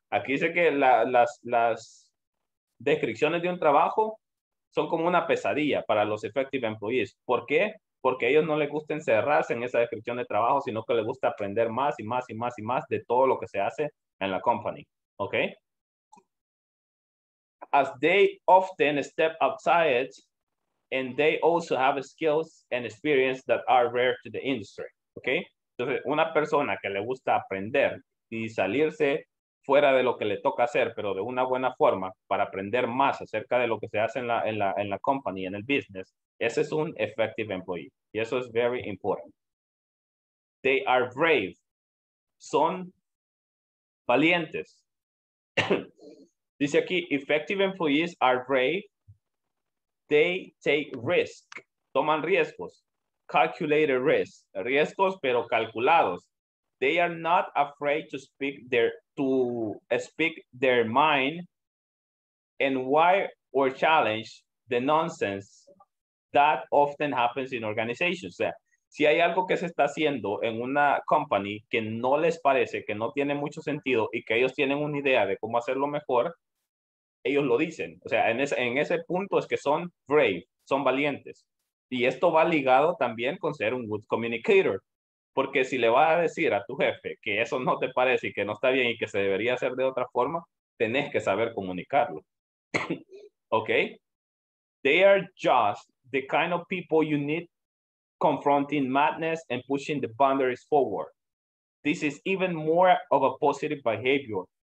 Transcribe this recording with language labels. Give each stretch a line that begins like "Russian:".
Spanish: Aquí dice que las descripciones de un trabajo son como una pesadilla para los effective employees. ¿Por qué? Porque a ellos no les gusta encerrarse en esa descripción de trabajo, sino que les gusta aprender más y más y más y más de todo lo que se hace en la company. ¿Ok?
English: As they often step outside, and they also have skills and experience that are rare to the industry. Okay?
Spanish: Entonces, una persona que le gusta aprender y salirse fuera de lo que le toca hacer, pero de una buena forma para aprender más acerca de lo que se hace en la company, en el business, ese es un effective employee. Y eso es
English: very important. They are brave.
Spanish: Son valientes. Dice aquí,
English: effective employees are brave. They take risk,
Spanish: toman riesgos,
English: calculated risk,
Spanish: riesgos pero calculados.
English: They are not afraid to speak their mind and why or challenge the nonsense that often happens in organizations.
Spanish: O sea, si hay algo que se está haciendo en una company que no les parece, que no tiene mucho sentido y que ellos tienen una idea de cómo hacerlo mejor, ellos lo dicen, o sea, en ese punto es que son brave, son valientes. Y esto va ligado también con ser un good communicator, porque si le vas a decir a tu jefe que eso no te parece y que no está bien y que se debería hacer de otra forma, tenés que saber comunicarlo. ¿Ok?
English: They are just the kind of people you need confronting madness and pushing the boundaries forward. This is even more of a positive behavior.